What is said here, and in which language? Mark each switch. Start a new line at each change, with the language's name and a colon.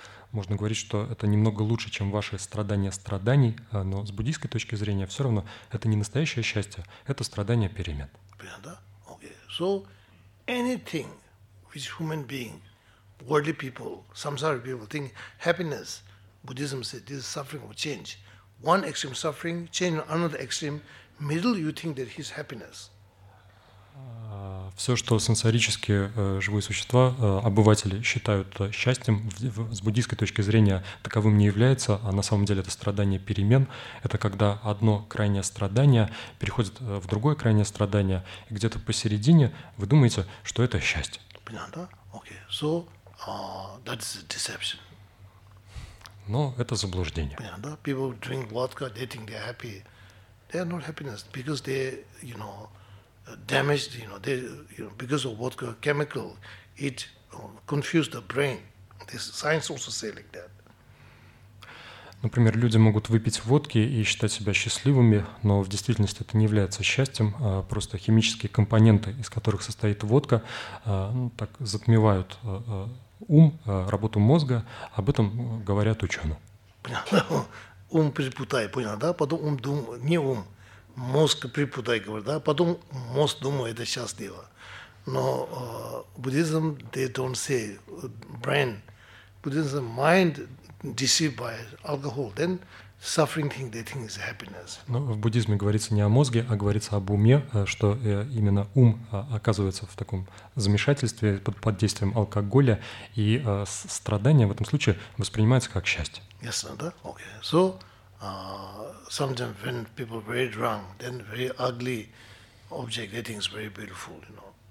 Russian: Можно говорить, что это немного лучше, чем ваши страдания страданий, но с буддийской точки зрения все равно это не настоящее счастье, это страдание перемен.
English: Okay. So anything which human being, worldly people, samsara people think happiness, Buddhism says this is suffering or change. One extreme suffering, change another extreme. Middle, you think that his happiness.
Russian: Все, что сенсорические живые существа, обыватели считают счастьем, с буддийской точки зрения таковым не является, а на самом деле это страдание перемен. Это когда одно крайнее страдание переходит в другое крайнее страдание, и где-то посередине вы думаете, что это счастье. Понятно?
English: Okay. So, that's a deception.
Russian: Но это заблуждение.
English: Yeah,
Russian: да?
English: People drink vodka, they think they're happy. They are not happiness because they, you know, damaged, you know, they, you know, because of vodka chemical, it confused the brain. This science also say like that.
Russian: Например, люди могут выпить водки и считать себя счастливыми, но в действительности это не является счастьем. Просто химические компоненты, из которых состоит водка, так затмевают ум, работу мозга, об этом говорят ученые. Понятно. Ум припутай, понял, да? Потом ум думает, не ум, мозг припутай, говорит, да? Потом мозг думает, это счастливо. Но буддизм,
English: they don't say brain. Buddhism, mind deceived by alcohol, then suffering thing, they think is happiness.
Russian: Но в буддизме говорится не о мозге, а говорится об уме, что именно ум оказывается в таком замешательстве под действием алкоголя, и страдание в этом случае воспринимается как счастье.
English: Yes,
Russian: да?
English: Okay. So, sometimes when people very drunk, then very ugly object, they think is very beautiful, you know.